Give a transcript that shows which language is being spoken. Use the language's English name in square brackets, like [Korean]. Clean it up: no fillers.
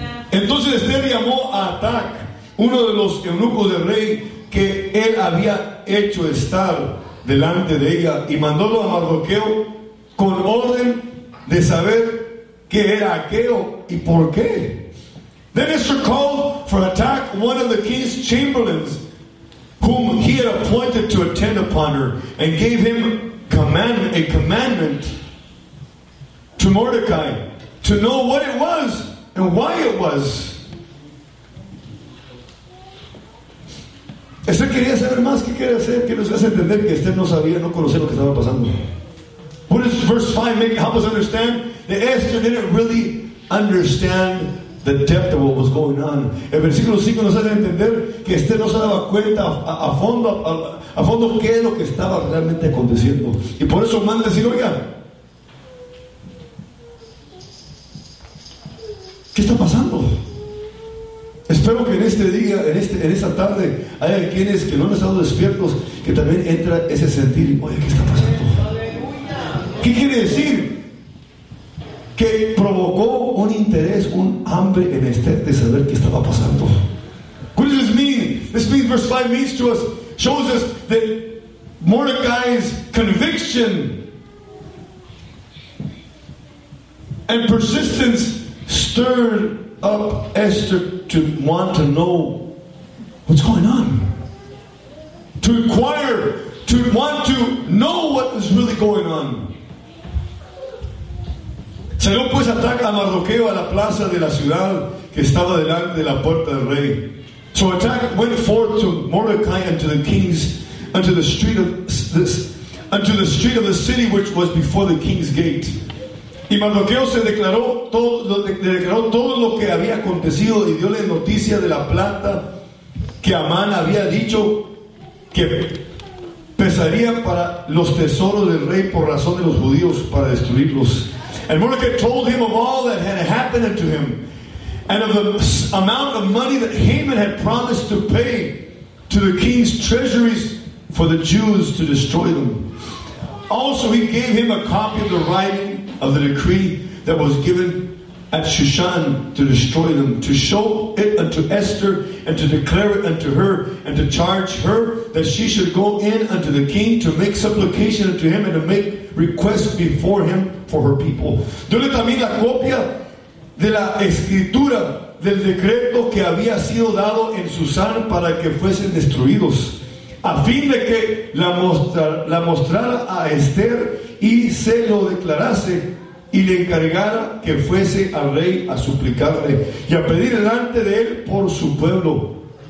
[Spanish] Entonces Esther llamó a Atac, uno de los eunucos del rey que él había hecho estar delante de ella, y mandólo a Mardoqueo con orden de saber qué era aquello y por qué. [English] Then Esther called for Atac, one of the king's chamberlains, whom he had appointed to attend upon her, and gave him a commandment to Mordecai to know what it was and why it was. [Spanish] Esther quería saber más. ¿Qué quiere hacer? Que nos hace entender que Esther no sabía, no conocía lo que estaba pasando. [English] What does verse 5 make help us understand? That Esther didn't really understand the depth of what was going on. [Spanish] El versículo 5 nos hace entender que Esther no se daba cuenta a fondo qué es lo que estaba realmente aconteciendo. Y por eso manda decir, oiga, ¿qué está pasando? Espero que en este día, en esta tarde, haya quienes que no han estado despiertos, que también entra ese sentir, oye, ¿qué está pasando? ¿Qué quiere decir? Que provocó un interés, un hambre en Esther de saber qué estaba pasando. [English] What does this mean? This means verse 5 means to us, shows us that Mordecai's conviction and persistence stirred up Esther to want to know what's going on, to inquire, to want to know what is really going on. [Spanish] Salió pues Atac a Mardoqueo a la plaza de la ciudad que estaba delante de la puerta del rey. [English] So Atac went forth to Mordecai and to the king's, unto the street of the city which was before the king's gate. [Spanish] Y Mardoqueo declaró todo lo que había acontecido y dio la noticia de la plata que Amán había dicho que pesaría para los tesoros del rey por razón de los judíos para destruirlos. [English] And Mordecai told him of all that had happened unto him, and of the amount of money that Haman had promised to pay to the king's treasuries for the Jews to destroy them. Also, he gave him a copy of the writing of the decree that was given at Shushan to destroy them, to show it unto Esther, and to declare it unto her, and to charge her that she should go in unto the king to make supplication unto him, and to make request before him for her people. [Spanish] Dole también la copia de la escritura del decreto que había sido dado en Susán para que fuesen destruidos, a fin de que la mostrara a Esther y se lo declarase y le encargara que fuese al rey a suplicarle y a pedir delante de él por su pueblo.